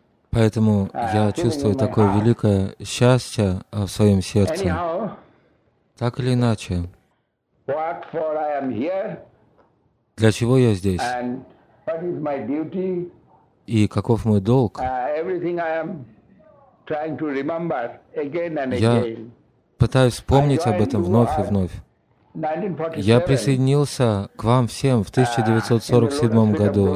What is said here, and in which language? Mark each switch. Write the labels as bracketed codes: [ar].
[ru] Поэтому я чувствую такое великое счастье в своем сердце. Так или иначе, для чего я здесь? [en] What is my duty? [ru] И каков мой долг? [en] Everything I am trying to remember again and again. [ru] Я пытаюсь вспомнить об этом вновь и вновь. Я присоединился к вам всем в 1947 году.